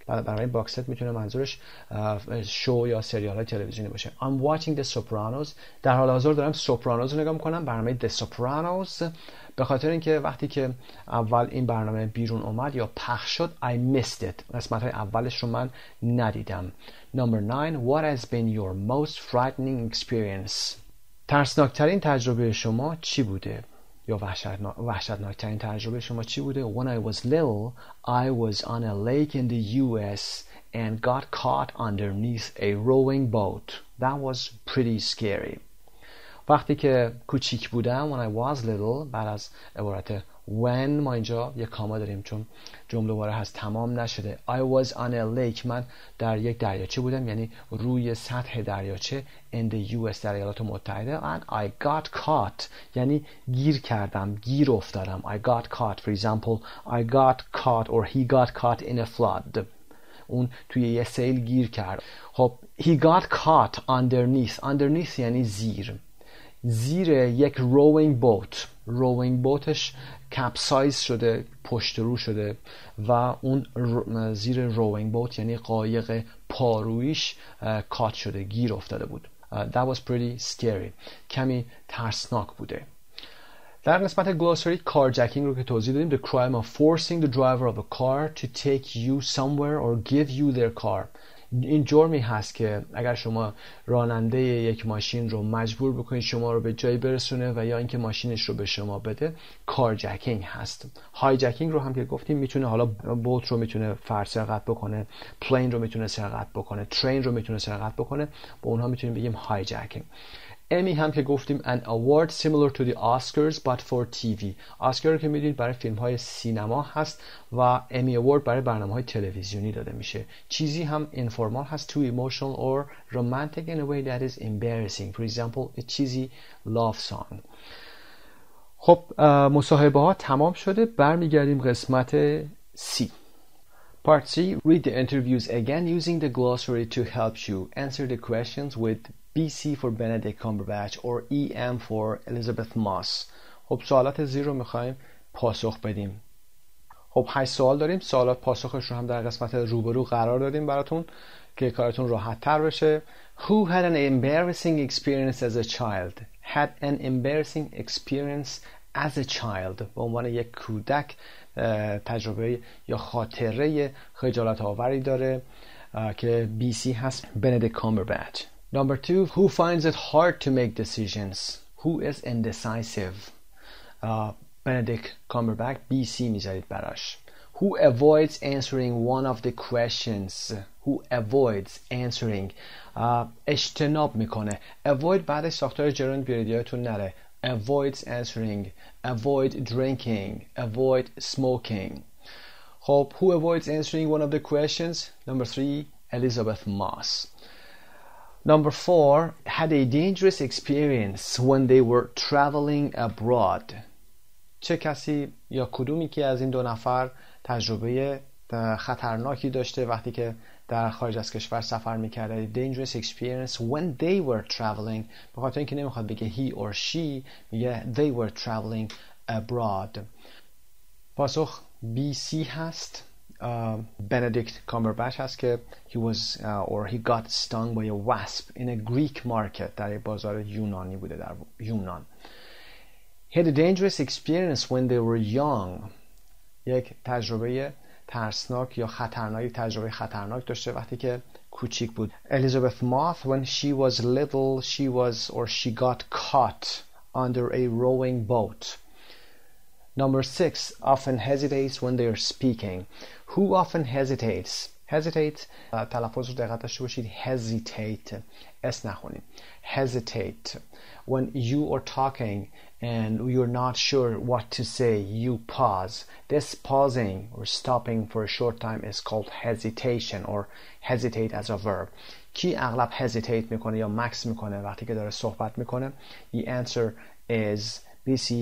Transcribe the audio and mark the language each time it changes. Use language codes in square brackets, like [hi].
[fa] برای باکس ست میتونه منظورش شو یا سریال های تلویزیونی باشه. [en] I'm watching The Sopranos. [fa] در حال حاضر دارم سوپرانوز رو نگاه میکنم، برنامه The Sopranos، به خاطر اینکه وقتی که اول این برنامه بیرون اومد یا پخش شد [en] I missed it، [fa] قسمت های اولش رو من ندیدم. [en] Number 9, what has been your most frightening experience؟ [fa] ترسناکترین تجربه شما چی بوده؟ [en] یا وحشتناک‌ترین تجربه شما چی بوده؟ When I was little, I was on a lake in the US and got caught underneath a rowing boat. That was pretty scary. [fa] وقتی که کوچیک بودم، [en] when I was little، [fa] بعد از عبارت when ما اینجا یک کاما داریم چون جمله دوباره هست تمام نشده. [en] I was on a lake، [fa] من در یک دریاچه بودم، یعنی روی سطح دریاچه in the US در ایالات متحده، [en] and I got caught [fa] یعنی گیر کردم، گیر افتادم. [en] I got caught، for example I got caught or he got caught in a flood، [fa] اون توی یه سیل گیر کرد. خب [en] he got caught underneath، [fa] underneath یعنی زیر، زیر یک rowing boat، rowing boatش capsize شده، پشت رو شده، و اون زیر rowing boat یعنی قایق پارویش کات شده، گیر افتاده بود. [en] That was pretty scary، [fa] کمی ترسناک بوده. [en] در قسمت glossary carjacking [fa] رو که توضیح دادیم، [en] the crime of forcing the driver of a car to take you somewhere or give you their car. [fa] این جرمی هست که اگر شما راننده یک ماشین رو مجبور بکنید شما رو به جایی برسونه و یا اینکه ماشینش رو به شما بده، کارجکینگ هست. هایجکینگ رو هم که گفتیم میتونه، حالا بوت رو میتونه فرد سرقت بکنه، پلین رو میتونه سرقت بکنه، ترین رو میتونه سرقت بکنه، با اونها میتونیم بگیم هایجکینگ. امی هم که گفتیم [en] an award similar to the Oscars but for TV. [fa] اسکار که میدونید برای فیلم های سینما هست و امی اوارد برای برنامه های تلویزیونی داده میشه. چیزی هم [en] informal هست، too emotional or romantic in a way that is embarrassing. For example, a cheesy love song. [fa] خب مصاحبه ها تمام شده، برمیگردیم قسمت C. [en] Part C, read the interviews again using the glossary to help you answer the questions with BC for Benedict Cumberbatch or EM for Elizabeth Moss. [fa] خب سوالات زیر رو میخواییم پاسخ بدیم. خب 8 سوال داریم، سوالات پاسخش رو هم در قسمت روبرو قرار دادیم براتون که کارتون راحت تر بشه. [en] Who had an embarrassing experience as a child? Had an embarrassing experience as a child. [fa] به عنوان یک کودک تجربه یا خاطره خجالت آوری داره که BC هست، Benedict Cumberbatch. [en] Number 2, who finds it hard to make decisions? Who is indecisive? Benedict Cumberbatch, BC میذارید براش. Who avoids answering one of the questions? Who avoids answering? [fa] اجتناب میکنه. Avoid بعدش ساختار جرند بیارید یادتون نره. [en] Avoids answering. Avoid drinking. Avoid smoking. خب, who avoids answering one of the questions? Number 3, Elizabeth Moss. Number 4, had a dangerous experience when they were traveling abroad. [fa] چه کسی یا کدومی که از این دو نفر تجربه خطرناکی داشته وقتی که در خارج از کشور سفر میکرده. [en] Dangerous experience when they were traveling. [fa] به خاطر اینکه نمیخواد بگه [en] he or she، میگه they were traveling abroad. [fa] پاسخ بی سی هست. [en] Benedict Cumberbatch هست که he got stung by a wasp in a Greek market، [fa] در بازار یونانی بوده در یونان. [en] He had a dangerous experience when they were young. [fa] یک تجربه ترسناک یا خطرناک، تجربه خطرناک داشته وقتی که کوچیک بود. [en] Elizabeth Moth when she was little she got caught under a rowing boat. Number 6 often hesitates when they are speaking. Who often hesitates? Hesitate. [fa] تلفظ رو دقت داشته باشید. [en] Hesitate. [fa] اس نخونید. [en] Hesitate. When you are talking and you're not sure what to say, you pause. This pausing or stopping for a short time is called hesitation or hesitate as a verb. [fa] کی اغلب hesitate میکنه یا مکس میکنه وقتی که داره صحبت میکنه؟ [en] The answer is B.C.